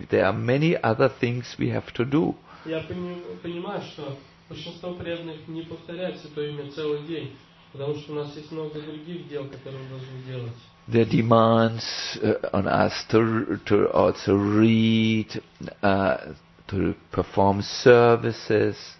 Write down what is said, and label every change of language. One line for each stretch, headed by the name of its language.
English: There are many other things we have to do.
Russian: Я понимаю, что большинство преданных не повторяют святое имя целый день, потому что у нас есть много других дел, которые мы должны делать.
English: The demands on us to also read, to perform services.